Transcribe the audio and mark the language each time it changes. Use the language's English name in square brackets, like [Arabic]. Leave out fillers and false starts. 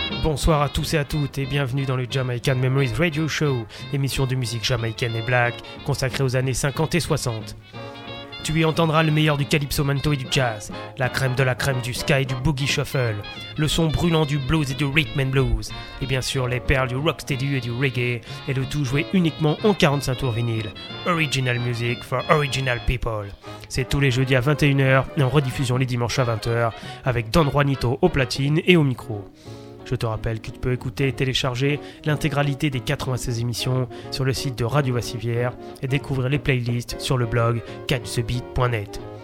[French] Bonsoir à tous et à toutes et bienvenue dans le Jamaican Memories Radio Show, émission de musique jamaïcaine et black consacrée aux années 50 et 60. Tu y entendras le meilleur du calypso manto et du jazz, la crème de la crème du ska et du boogie shuffle, le son brûlant du blues et du rhythm and blues, et bien sûr les perles du rocksteady et du reggae, et le tout joué uniquement en 45 tours vinyle. [English] Original music for original people. [French] C'est tous les jeudis à 21h et en rediffusion les dimanches à 20h avec Don Juanito au platine et au micro. Je te rappelle que tu peux écouter et télécharger l'intégralité des 96 émissions sur le site de Radio Vassivière et découvrir les playlists sur le blog catchthebeat.net.